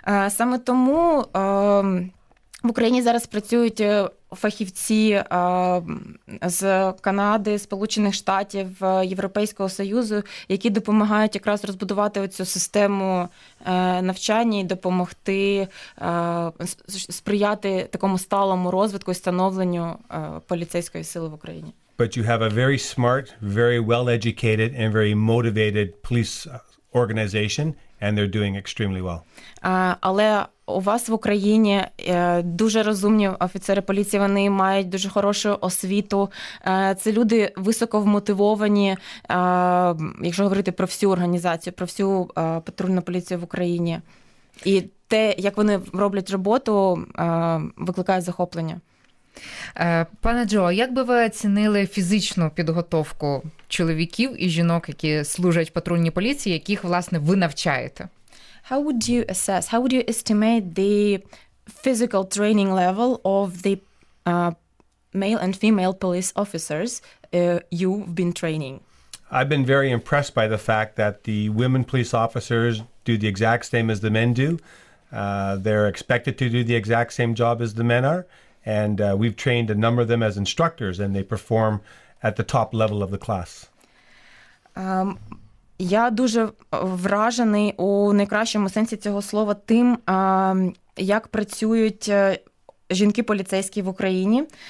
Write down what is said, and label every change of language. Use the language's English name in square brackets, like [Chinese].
[Ukrainian] Саме тому в Україні зараз працюють фахівці з Канади, Сполучених Штатів, Європейського Союзу, які допомагають якраз розбудувати оцю систему навчання і допомогти сприяти такому сталому розвитку і становленню поліцейської сили в Україні. [English] But you have a very smart, very well-educated, and very motivated police organization, and they're doing extremely well. [Ukrainian] Але у вас в Україні дуже розумні офіцери поліції, вони мають дуже хорошу освіту. Це люди високо вмотивовані, якщо говорити про всю організацію, про всю патрульну поліцію в Україні. І те, як вони роблять роботу, викликає захоплення. Пане Джо, як би ви оцінили фізичну підготовку чоловіків і жінок, які служать патрульній поліції, яких, власне, ви навчаєте? [English] How would you assess, how would you estimate the physical training level of the male and female police officers you've been training? I've been very impressed by the fact that the women police officers do the exact same as the men do. They're expected to do the exact same job as the men are. And we've trained a number of them as instructors, and they perform at the top level of the class. [Ukrainian] Я дуже вражений у найкращому сенсі цього слова тим, як працюють жінки-поліцейські в Україні.